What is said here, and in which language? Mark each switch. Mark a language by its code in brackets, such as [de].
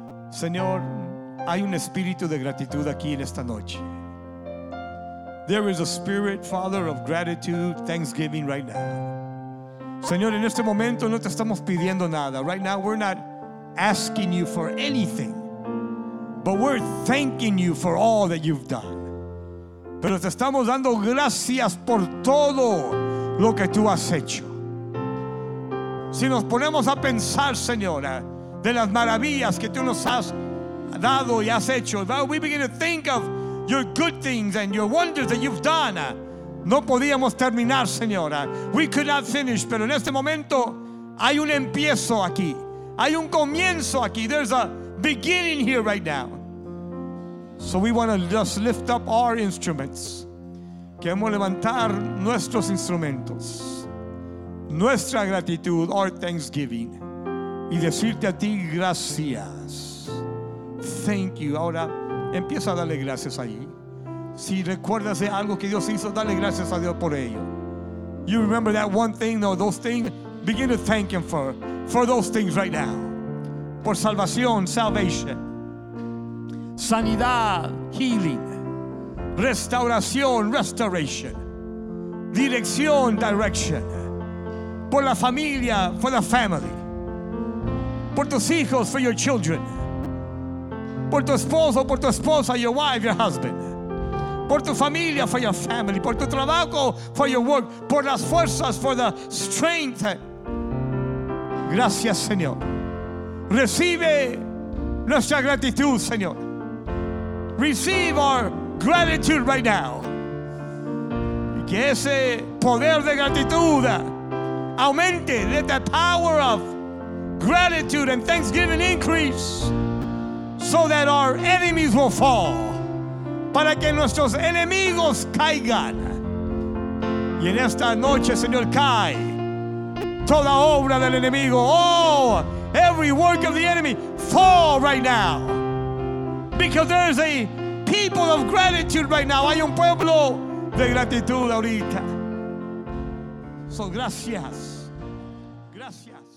[es] Señor, hay un espíritu de gratitud aquí en esta noche. [en] There is a spirit, Father, of gratitude, thanksgiving right now. [es] Señor, en este momento no te estamos pidiendo nada. [en] Right now we're not asking you for anything, but we're thanking you for all that you've done. [es] Pero te estamos dando gracias por todo lo que tú has hecho. Si nos ponemos a pensar, Señora, de las maravillas que tú nos has dado y has hecho, [en] we begin to think of your good things and your wonders that you've done. [es] No podíamos terminar, Señora. [en] We could not finish. [es] Pero en este momento hay un empiezo aquí. Hay un comienzo aquí. [en] There's a beginning here right now. So we want to just lift up our instruments. [es] Queremos levantar nuestros instrumentos, nuestra gratitud, [en] our thanksgiving, [es] y decirte a ti gracias. [en] Thank you. [es] Ahora empieza a darle gracias ahí. Si recuerdas de algo que Dios hizo, dale gracias a Dios por ello. [en] You remember that one thing, no, those things, begin to thank Him for those things right now. [es] Por salvación, salvation. Sanidad, healing. Restauración, restoration. Dirección, direction. Por la familia, [en] for the family. [es] Por tus hijos, [en] for your children. [es] Por tu esposo, por tu esposa, [en] your wife, your husband. [es] Por tu familia, [en] for your family. [es] Por tu trabajo, [en] for your work. [es] Por las fuerzas, [en] for the strength. [es] Gracias, Señor. [en] Recibe nuestra gratitud, Señor. Receive our gratitude right now. [es] Y que ese poder de gratitud aumente. [en] Let the power of gratitude and thanksgiving increase, so that our enemies will fall. [es] Para que nuestros enemigos caigan. Y en esta noche, Señor, cae toda obra del enemigo. [en] Oh, every work of the enemy, fall right now. Because there is a people of gratitude right now. [es] Hay un pueblo de gratitud ahorita. So, gracias. Gracias.